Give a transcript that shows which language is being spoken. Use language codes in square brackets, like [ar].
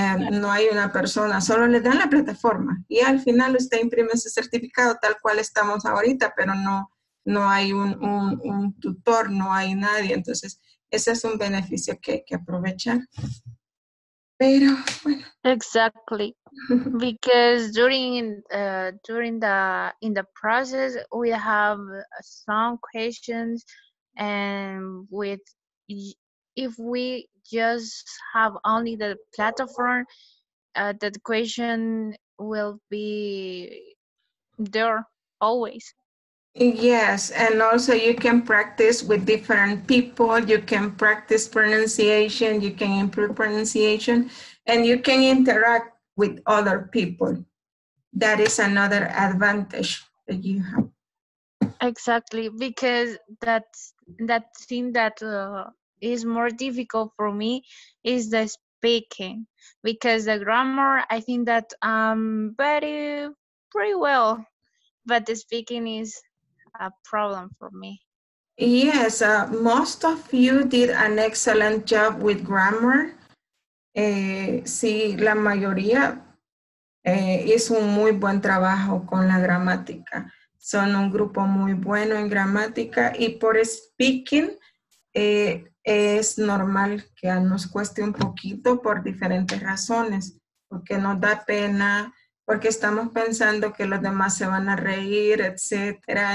[es] No hay una persona, solo les dan la plataforma. Y al final usted imprime su certificado tal cual estamos ahorita, pero no hay un tutor, no hay nadie. Entonces, ese es un beneficio que hay que aprovechar. Pero, bueno. [en] Exactly. Because during the process we have some questions, and with if we just have only the platform, that question will be there always. Yes, and also you can practice with different people. You can practice pronunciation. You can improve pronunciation. And you can interact with other people. That is another advantage that you have. Exactly, because that thing that is more difficult for me is the speaking. Because the grammar, I think that I'm very, pretty well, but the speaking is a problem for me. Yes, most of you did an excellent job with grammar. [es] Sí, la mayoría hizo un muy buen trabajo con la gramática. Son un grupo muy bueno en gramática y por speaking es normal que nos cueste un poquito por diferentes razones, porque nos da pena, porque estamos pensando que los demás se van a reír, etcétera.